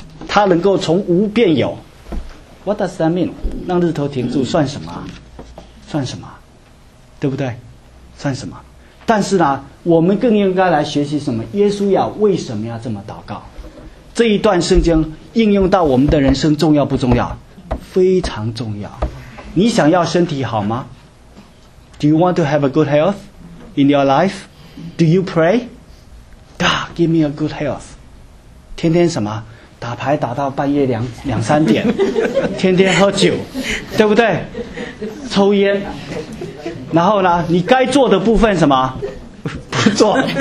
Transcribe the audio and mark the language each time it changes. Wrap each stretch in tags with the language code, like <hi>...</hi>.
<zh>他能够从无变有 ，</zh> <en>What does that mean？</en> <zh>让日头停住算什么？算什么？对不对？算什么？但是呢，我们更应该来学习什么？耶稣呀，为什么要这么祷告？这一段圣经应用到我们的人生重要不重要？非常重要。你想要身体好吗</zh> <en>？Do you want to have a good health in your life？ Do you pray？ God give me a good health。</en> <zh>天天什么？打牌打到半夜两三点，天天喝酒，对不对？抽烟，然后呢，你该做的部分什么不做？</zh>